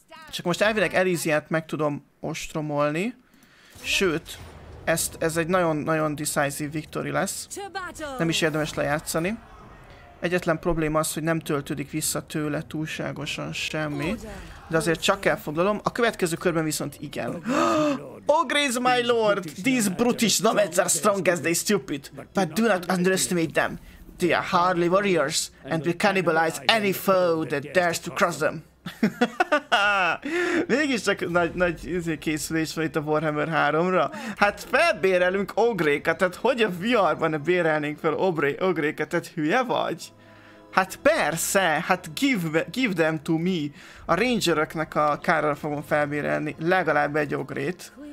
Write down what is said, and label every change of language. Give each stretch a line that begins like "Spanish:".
Hungarian: Csak most elvileg Elysiát meg tudom ostromolni. Sőt, ez egy nagyon-nagyon
English: decisive victory
Hungarian: lesz. Nem is érdemes lejátszani. Egyetlen probléma az, hogy nem töltődik vissza tőle túlságosan semmi. De azért csak elfoglalom. A következő körben viszont igen.
English: Oh, Grace, my lord! These brutish nomads are strong as they stupid. But do not underestimate them. They are hardly warriors and will cannibalize any foe that dares to cross them.
Hungarian: Mégis csak nagy készülés van itt a Warhammer 3-ra. Hát felbérelünk ogrékat, tehát hogy a VR-ban bérelnénk fel ogrékat, tehát hülye vagy? Hát persze, hát
English: give them to me.
Hungarian: A rangeröknek a kárral fogom felbérelni legalább egy ogrét.